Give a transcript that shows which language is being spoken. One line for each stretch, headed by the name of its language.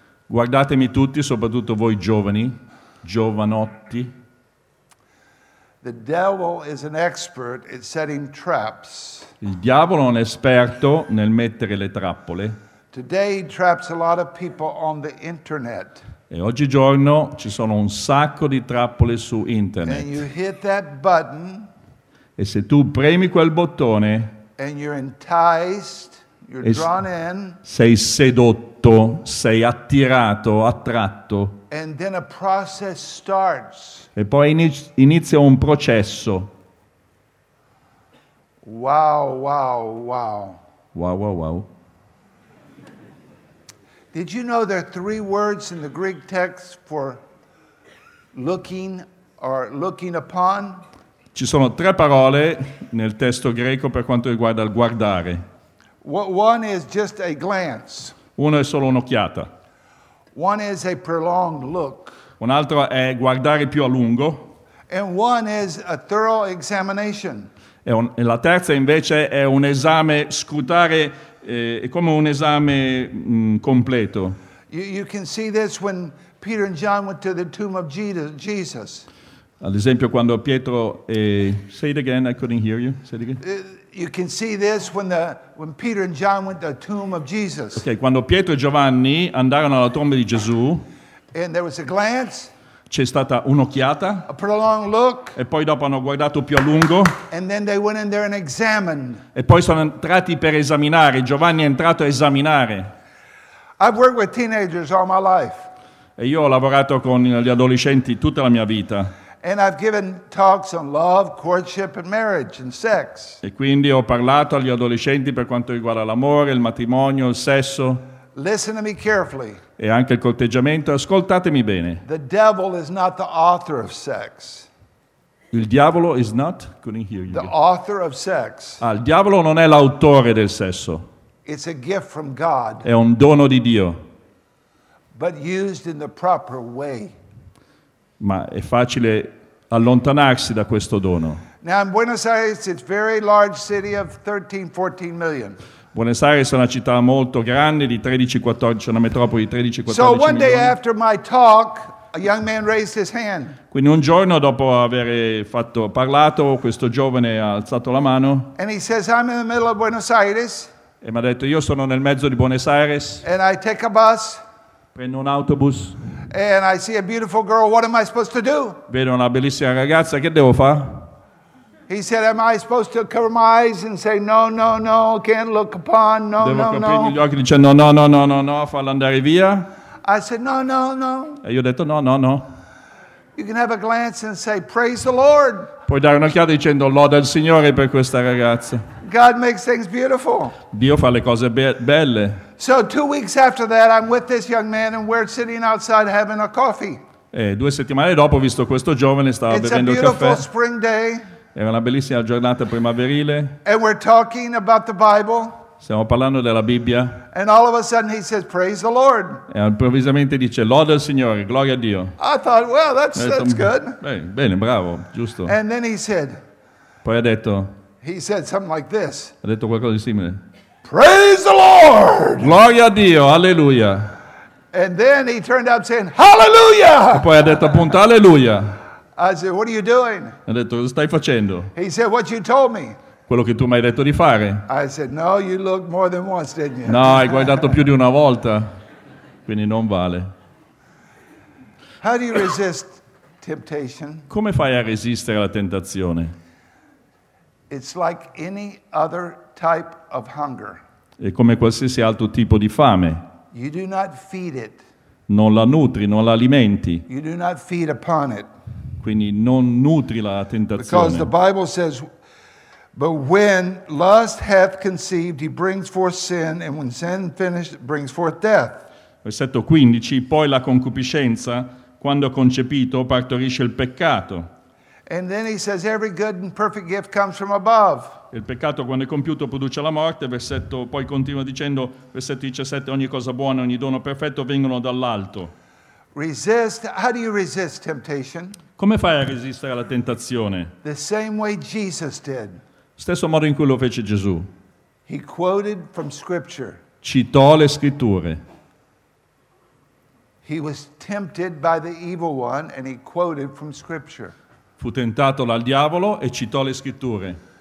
Italian: Guardatemi tutti, soprattutto voi giovani, giovanotti.
English: The devil is an expert at setting traps.
Italian: Il diavolo è un esperto nel mettere le trappole.
English: Today he traps a lot of people on the internet.
Italian: E oggigiorno ci sono un sacco di trappole su internet.
English: And you hit that button,
Italian: e se tu premi quel bottone,
English: and you're enticed, you're drawn in,
Italian: sei sedotto, sei attirato, attratto.
English: And then a process starts.
Italian: E poi inizia un processo. Wow, wow, wow. Wow, wow, wow.
English: Did you know there are three words in the Greek text for looking or looking upon?
Italian: Ci sono tre parole nel testo greco per quanto riguarda il guardare.
English: One is just a glance.
Italian: Uno è solo un'occhiata.
English: One is a prolonged look.
Italian: Un altro è guardare più a lungo.
English: And one is a thorough examination.
Italian: E la terza invece è un esame, scrutare, è come un esame completo.
English: You can see this when Peter and John went to the tomb of Jesus.
Italian: Ad esempio quando Pietro
English: say it again, I couldn't hear you. Say it again. You can see this when Peter and John went to the tomb of Jesus.
Italian: Okay, quando Pietro e Giovanni andarono alla tomba di Gesù.
English: And there was a glance.
Italian: C'è stata un'occhiata.
English: A prolonged look.
Italian: E poi dopo hanno guardato più a lungo.
English: And then they went in there and examined.
Italian: E poi sono entrati per esaminare. Giovanni è entrato a esaminare.
English: I've worked with teenagers all my life.
Italian: E io ho lavorato con gli adolescenti tutta la mia vita.
English: And I've given talks on love, courtship, and marriage and sex.
Italian: E quindi ho parlato agli adolescenti per quanto riguarda l'amore, il matrimonio, il sesso.
English: Listen to me carefully.
Italian: E anche il corteggiamento, ascoltatemi bene.
English: The devil is not the author of sex.
Italian: Il diavolo
English: is not, couldn't hear you. The author of sex.
Italian: Ah, il diavolo non è l'autore del sesso.
English: It's a gift from God.
Italian: È un dono di Dio.
English: But used in the proper way.
Italian: Ma è facile allontanarsi da questo dono.
English: Now in Buenos Aires, it's a very large city of 13-14 million.
Italian: Buenos Aires è una città molto grande, di 13-14, una metropoli di 13-14 milioni.
English: So one day after my talk, a young man raised his hand.
Italian: Quindi un giorno dopo aver parlato, questo giovane ha alzato la mano.
English: And he says, I'm in the middle of Buenos Aires.
Italian: E mi ha detto, io sono nel mezzo di Buenos Aires.
English: And I take a bus.
Italian: Prendo un autobus.
English: And I see a beautiful girl, what am I supposed to do?
Italian: Vedo una bellissima ragazza, che devo fare?
English: He said, am I supposed to cover my eyes and say, no, no, no, can't look upon, no,
Italian: devo
English: no, no.
Italian: Devo coprirmi gli occhi dicendo, no, no, no, no, no, farla andare via.
English: I said, no, no, no.
Italian: E io ho detto, no, no, no.
English: You can have a glance and say, praise the Lord.
Italian: Puoi dare un'occhiata dicendo, loda il Signore per questa ragazza.
English: God makes things beautiful.
Italian: Dio fa le cose belle.
English: So 2 weeks after that, I'm with this young man and we're sitting outside having a coffee.
Italian: E 2 settimane dopo, visto questo giovane, stava
English: It's
Italian: bevendo il caffè.
English: It's a beautiful spring day.
Italian: Era una bellissima giornata primaverile.
English: And we're talking about the Bible.
Italian: Stiamo parlando della Bibbia.
English: And all of a sudden he says, praise the Lord.
Italian: E improvvisamente dice, loda il Signore, gloria a Dio.
English: I thought, well, that's good.
Italian: Bene, bravo, giusto.
English: And then he said,
Italian: poi ha detto,
English: he said something like this.
Italian: Ha detto qualcosa di simile.
English: Praise the Lord.
Italian: Gloria a Dio, alleluia.
English: And then he turned up saying, hallelujah.
Italian: E poi ha detto appunto, alleluia.
English: I said, what are you doing?
Italian: Ha detto, cosa stai facendo?
English: He said, what you told me.
Italian: Quello che tu mi hai detto di fare.
English: I said, no, you looked more than once, didn't you?
Italian: No, hai guardato più di una volta. Quindi non vale.
English: How do you resist temptation?
Italian: Come fai a resistere alla tentazione?
English: It's like any other type of hunger.
Italian: È come qualsiasi altro tipo di fame.
English: You do not feed it.
Italian: Non la nutri, non la alimenti.
English: You do not feed upon it.
Italian: Quindi non nutri la tentazione.
English: Because the Bible says, but when lust hath conceived, he brings forth sin, and when sin finished, brings forth death.
Italian: Versetto 15, poi la concupiscenza, quando concepito, partorisce il peccato.
English: And then he says, every good and perfect gift comes from above.
Italian: Il peccato, quando è compiuto, produce la morte. Versetto, poi continua dicendo, versetto 17, ogni cosa buona, ogni dono perfetto vengono dall'alto.
English: Resist, how do you resist temptation?
Italian: Come fai a resistere alla tentazione?
English: The same way Jesus did.
Italian: Stesso modo in cui lo fece Gesù.
English: He quoted from scripture.
Italian: Citò le scritture.
English: He was tempted by the evil one and he quoted from scripture.
Italian: Fu tentato dal diavolo e citò le scritture.